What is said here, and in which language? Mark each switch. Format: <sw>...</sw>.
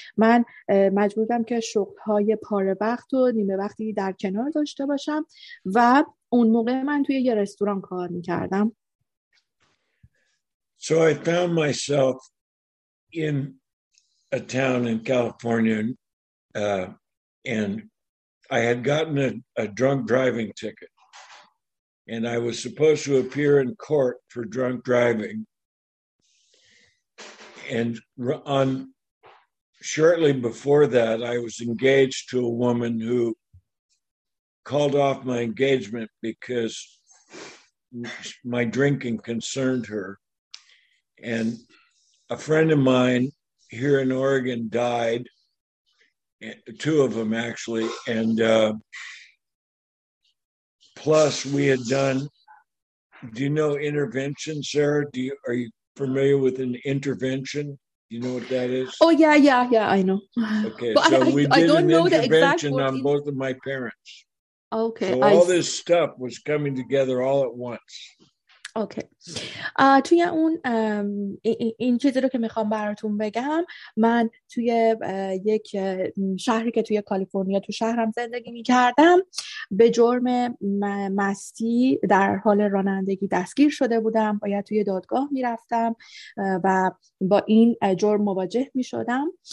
<fa>من مجبورم که شغل‌های پاره وقت و نیمه وقتی در کنار داشته باشم و اون موقع من توی یه رستوران کار می‌کردم.</fa> <en>So I found myself in a town in California and I had gotten a drunk driving ticket. And I was supposed to appear in court for drunk driving. And shortly before that, I was engaged to a woman who called off my engagement because my drinking concerned her. And a friend of mine here in Oregon died, two of them actually, and plus, we had done, do you know intervention, Sarah? Are you familiar with an intervention? Do you know what that is? Oh, yeah, I know. Okay, but so we did an intervention on both of my parents. Okay. So all this stuff was coming together all at once.</en> <fa>توی اون این چیزی رو که میخوام براتون بگم، من توی یک شهری که توی کالیفرنیا تو شهرم زندگی میکردم به جرم مستی در حال رانندگی دستگیر شده بودم، باید توی دادگاه میرفتم و با این جرم مواجه میشدم.</fa>